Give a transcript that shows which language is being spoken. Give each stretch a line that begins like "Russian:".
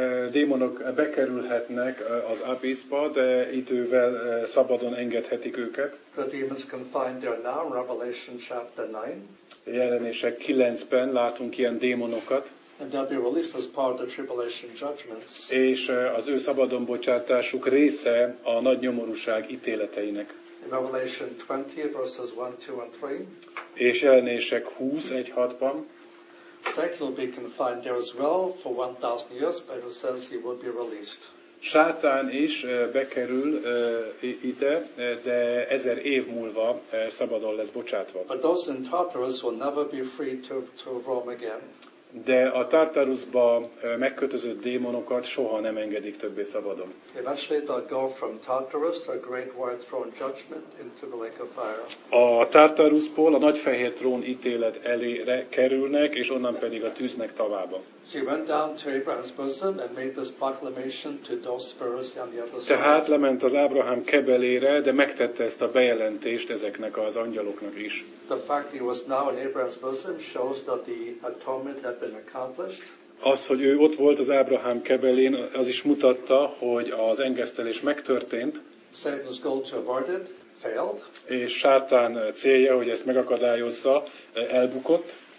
Hungarian: Démonok bekerülhetnek az abiszba, de idővel szabadon engedhetik őket.
English: The demons confined there now in Revelation chapter 9.
Hungarian: Jelenések 9-ben látunk ilyen démonokat.
English: And they'll be released as part of the tribulation judgments.
Hungarian: És az ő szabadon bocsátásuk része a nagy nyomorúság ítéleteinek.
English: In Revelation 20 verses 1-3.
Hungarian: És jelenések 20:1-6-ban.
English: Satan will be confined there as well for 1,000 years, but it says he will be released.
Hungarian: Sátán is bekerül ide, de 1000 év múlva szabadon lesz bocsátva.
English: But those in Tartarus will never be free to roam again.
Hungarian: De a Tartarusba megkötözött démonokat soha nem engedik többé szabadon.
English: Eventually they'll go from Tartarus to a great white throne judgment into the lake of fire.
Hungarian: A Tartarusból a nagy fehér trón ítélet elére kerülnek, és onnan pedig a tűznek tavába.
English: So he went down to Abraham's bosom and made this proclamation to those spirits on the other side.
Hungarian: Tehát lement az Ábrahám kebelére, de megtette ezt a bejelentést ezeknek az angyaloknak is.
English: The fact he was now in Abraham's bosom shows that the atonement had been accomplished.
Hungarian: Az, hogy ő ott volt az Ábrahám kebelén, az is mutatta, hogy az engesztelés megtörtént.
English: Satan's goal to avoid it failed.
Hungarian: És Sátán célja, hogy ezt megakadályozza, elbukott.